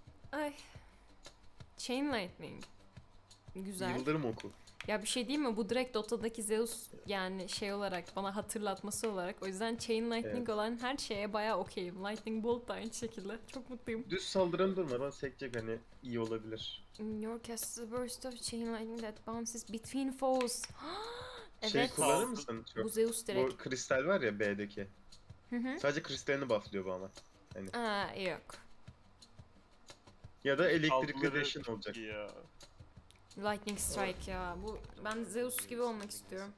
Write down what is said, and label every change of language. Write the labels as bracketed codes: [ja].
[tr] Ay. Chain Lightning. Güzel. Yıldırım oku. Ya bir şey diyeyim mi? Bu direkt Dota'daki Zeus yani şey olarak bana hatırlatması olarak. O yüzden Chain Lightning evet, olan her şeye bayağı okeyim. Lightning Bolt da aynı şekilde. Çok mutluyum. Düz saldırım durmadan sekecek hani iyi olabilir. [en] Your cast is a burst of Chain Lightning that bounces between foes. [tr] Şey evet, kullanır mısın? Bu Zeus direkt. Bu kristal var ya B'deki. Sadece kristalini buff'lıyor bu ama. Hani. Aa yok. Ya da elektrik radiation olacak. Lightning Strike ya. Bu ben Zeus gibi olmak istiyorum.